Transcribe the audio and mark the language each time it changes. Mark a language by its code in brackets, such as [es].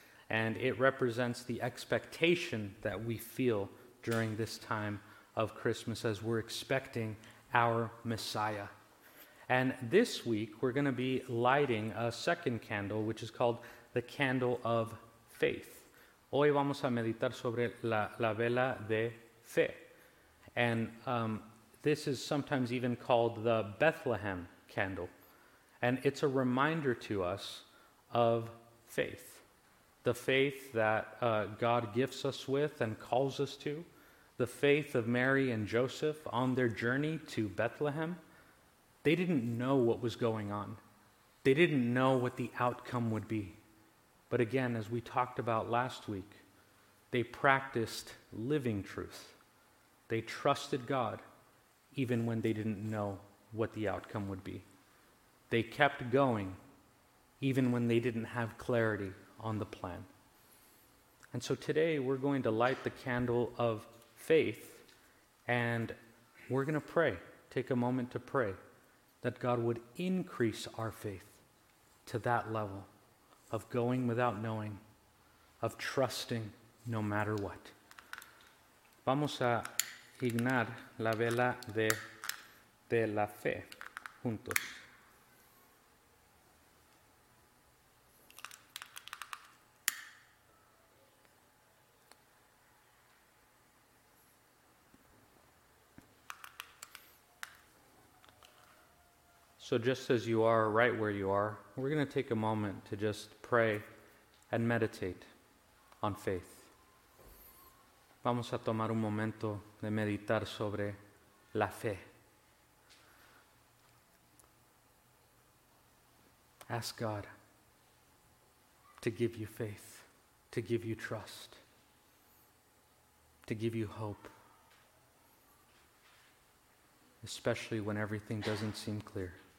[en] And it represents the expectation that we feel during this time of Christmas as we're expecting our Messiah. And this week, we're going to be lighting a second candle, which is called the candle of faith. [es] Hoy vamos a meditar sobre la vela de fe. [en] And this is sometimes even called the Bethlehem candle. And it's a reminder to us of faith. The faith that God gifts us with and calls us to. The faith of Mary and Joseph on their journey to Bethlehem. They didn't know what was going on. They didn't know what the outcome would be. But again, as we talked about last week, they practiced living truth. They trusted God, even when they didn't know what the outcome would be. They kept going, even when they didn't have clarity on the plan. And so today, we're going to light the candle of faith, and we're going to pray, take a moment to pray, that God would increase our faith to that level of going without knowing, of trusting no matter what. [es] Vamos a ignar la vela de la fe juntos. [en] So just as you are, right where you are, we're going to take a moment to just pray and meditate on faith. [es] Vamos a tomar un momento de meditar sobre la fe. [en] Ask God to give you faith, to give you trust, to give you hope, especially when everything doesn't seem clear.